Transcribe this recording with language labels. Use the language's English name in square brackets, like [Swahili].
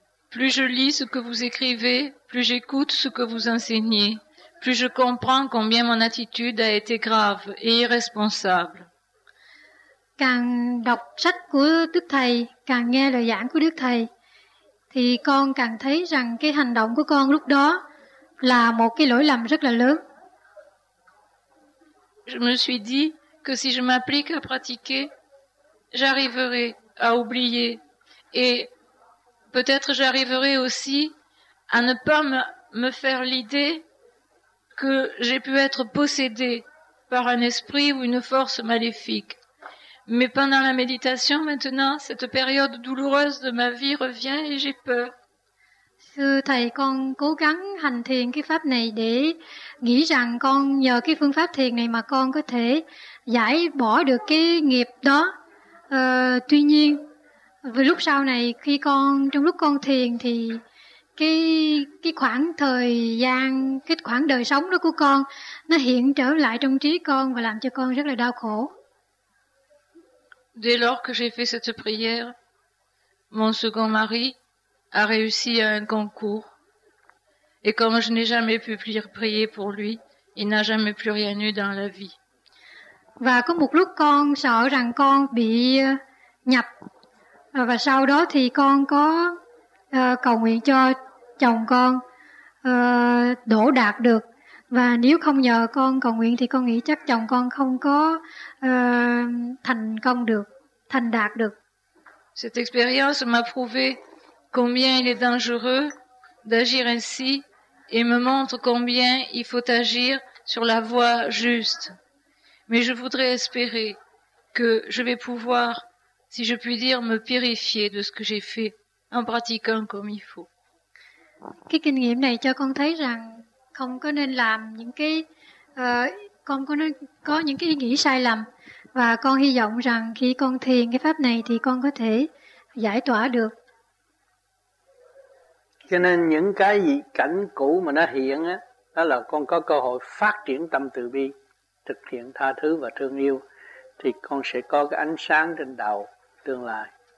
[French] Plus je lis ce que vous écrivez, plus j'écoute ce que vous enseignez, plus je comprends combien mon attitude a été grave et irresponsable. [Vietnamese] Càng đọc sách của Đức Thầy, càng nghe lời giảng của Đức Thầy, thì con càng thấy rằng cái hành động của con lúc đó là một cái lỗi lầm rất là lớn. [French] Je me suis dit que si je m'applique à pratiquer, j'arriverai à oublier et peut-être j'arriverai aussi à ne pas me faire l'idée que j'ai pu être possédée par un esprit ou une force maléfique. Mais pendant la méditation, maintenant, cette période douloureuse de ma vie revient et j'ai peur. [Vietnamese] Sư thầy, con cố gắng hành thiền cái pháp này để nghĩ rằng con nhờ cái phương pháp thiền này mà con có thể giải bỏ được cái nghiệp đó. Tuy nhiên, vừa lúc sau này khi con trong lúc con thiền thì cái khoảng thời gian, cái khoảng đời sống đó của con nó hiện trở lại trong trí con và làm cho con rất là đau khổ. [French] Dès lors que j'ai fait cette prière, mon second mari a réussi à un concours. Et comme je n'ai jamais pu prier pour lui, il n'a jamais plus rien eu dans la vie. [Vietnamese] Và có một lúc con sợ rằng con bị nhập. Và sau đó thì con có cầu nguyện cho chồng con đỗ đạt được. Và nếu không nhờ con cầu nguyện thì con nghĩ chắc chồng con không có thành công được, thành đạt được. [French] Cette expérience m'a prouvé combien il est dangereux d'agir ainsi et me montre combien il faut agir sur la voie juste. Mais je voudrais espérer que je vais pouvoir, si je puis dire, me purifier de ce que j'ai fait en pratiquant comme il faut. [Vietnamese] Cái kinh nghiệm này cho con thấy rằng không có nên làm những cái con có nên có những cái nghĩ sai lầm và con hy vọng rằng khi con thiền cái pháp này thì con có thể giải tỏa được. Cho nên những cái gì cảnh cũ mà nó hiện á, đó là con có cơ hội phát triển tâm từ bi, thực hiện tha thứ và thương yêu, thì con sẽ có cái ánh sáng trên đầu tương lai.